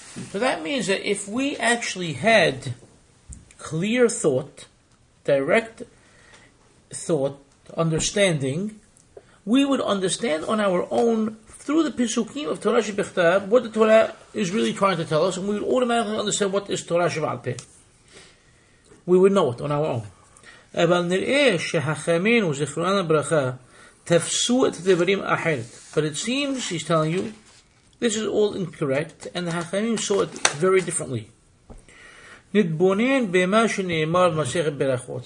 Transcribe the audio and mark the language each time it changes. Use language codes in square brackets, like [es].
[en] So that means that if we actually had clear thought, direct thought, understanding, we would understand on our own through the Pesukim of Torah SheBikhtab what the Torah is really trying to tell us, and we would automatically understand what is Torah Sheba'al Peh. We would know it on our own. [he] אבל נראה שהחמינו זכרון הברכה תפסו את הדברים אחרת. [en] But it seems, he's telling you, this is all incorrect, and the Hachamim saw it very differently. [he] נתבונן במה שנאמר במסכת ברכות.